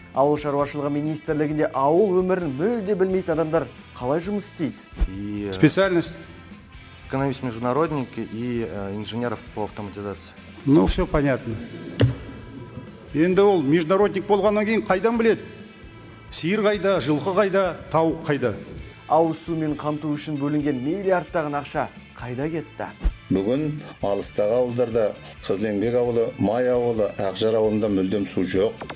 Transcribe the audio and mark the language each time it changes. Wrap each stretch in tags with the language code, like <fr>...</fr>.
<kk>Ауыл шаруашылығы министрлігінде ауыл өмірін мүлде білмейтін адамдар қалай жұмыс істейді?</kk> <ru>Специальность? Экономист международник и инженеров по автоматизации. Ну все понятно.</ru> <kk>Енді ол международник болғаннан кейін қайдан біледі? Сиыр қайда, жылқы қайда, тауық қайда? Ауыз сумен қамту үшін бөлінген миллиардтаған ақша қайда кетті? Бүгін алыстағы ауылдарда Қызленбек ауылы, Май ауылы, Ақжар ауылында мүлдем су жоқ.</kk>